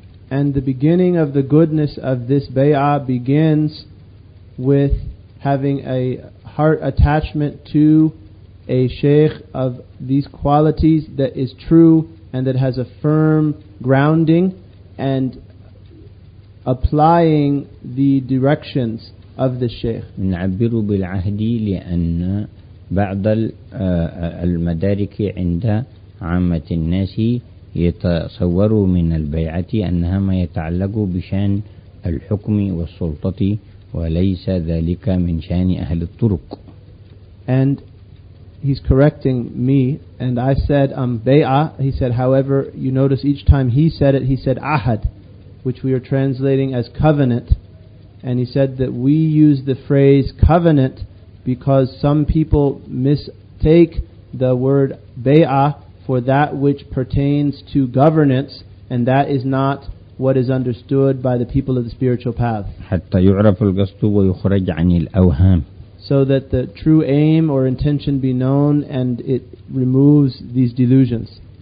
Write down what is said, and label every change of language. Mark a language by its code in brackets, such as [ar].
[en] And the beginning of the goodness of this bay'ah begins with having a heart attachment to a sheikh of these qualities that is true and that has a firm grounding, and applying the directions of the sheikh. [ar] نعبر بالعهد لأن بعض المدارك عند عامة الناس يتصور من البيعة أنها ما يتعلق بشان الحكم والسلطة وليس ذلك من شان أهل الطرق. [en] And he's correcting me, and I said bay'a. He said, however, you notice each time he said it, he said ahad, which we are translating as covenant. And he said that we use the phrase covenant because some people mistake the word bay'a for that which pertains to governance, and that is not what is understood by the people of the spiritual path. [ar] حتى يعرف القصد ويخرج عن الأوهام. [en] So that the true aim or intention be known and it removes these delusions.